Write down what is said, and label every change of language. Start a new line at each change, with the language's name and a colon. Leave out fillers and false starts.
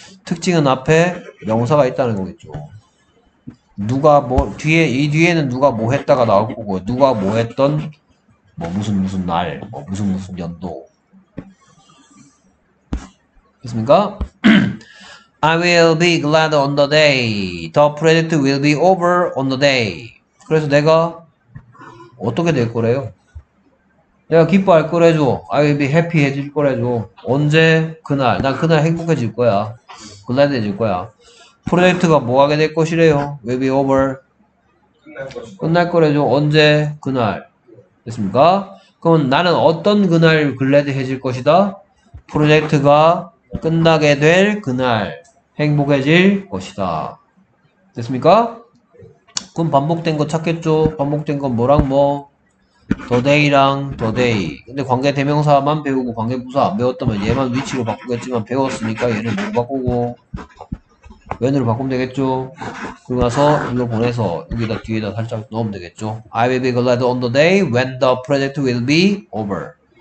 Korean: 특징은 앞에 명사가 있다는 거겠죠. 누가 뭐 뒤에 이 뒤에는 누가 뭐 했다가 나올 거고 누가 뭐 했던 뭐 무슨 무슨 날뭐 무슨 무슨 연도 있습니까?
English: I will be glad on the day. The project will be over on the day.
Korean: 그래서 내가 어떻게 될 거래요? 내가 기뻐할 거래죠.
English: I will be happy
Korean: 해줄 거래죠. 언제? 그날. 난 그날 행복해질 거야. glad 해줄 거야. 프로젝트가 뭐 하게 될 것이래요?
English: will be over.
Korean: 끝날 거래죠. 언제? 그날. 됐습니까? 그럼 나는 어떤 그날 glad 해질 것이다? 프로젝트가 끝나게 될 그날. 행복해질 것이다. 됐습니까? 그럼 반복된 거 찾겠죠? 반복된 건 뭐랑 뭐? The day랑 the day. 근데 관계 대명사만 배우고 관계 부사 안 배웠다면 얘만 위치로 바꾸겠지만 배웠으니까 얘는 뭐 바꾸고 when으로 바꾸면 되겠죠. 그리고 나서 이거 보내서 여기다 뒤에다 살짝 넣으면 되겠죠.
English: I will be glad on the day when the project will be over.